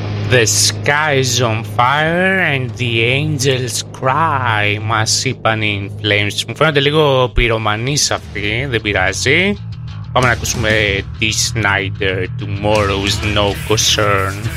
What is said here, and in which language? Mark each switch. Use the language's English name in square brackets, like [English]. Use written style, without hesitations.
[English] The sky's on fire and the angels cry, [Greek] μας είπαν οι [English] In Flames. [Greek] Μου φαίνονται λίγο πυρομανείς αυτοί, δεν πειράζει. Πάμε να ακούσουμε The Snyder, Tomorrow's No Concern.